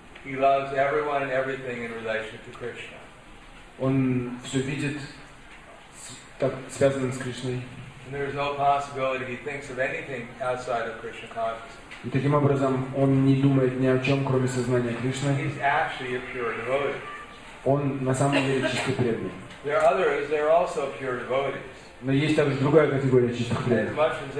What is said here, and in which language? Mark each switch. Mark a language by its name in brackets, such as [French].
[English] He loves everyone and everything in relation to Krishna. [Russian] Он все видит так, связанным с Кришной. [English] And there is no possibility he thinks of anything outside of Krishna consciousness. [Russian] И таким образом он не думает ни о чем, кроме сознания Кришны. [English] He's actually a pure devotee. [Russian] Он на самом деле чистый преданный. [English] There are others, they're also pure devotees. [Russian] Но есть также другая категория чистых преданных.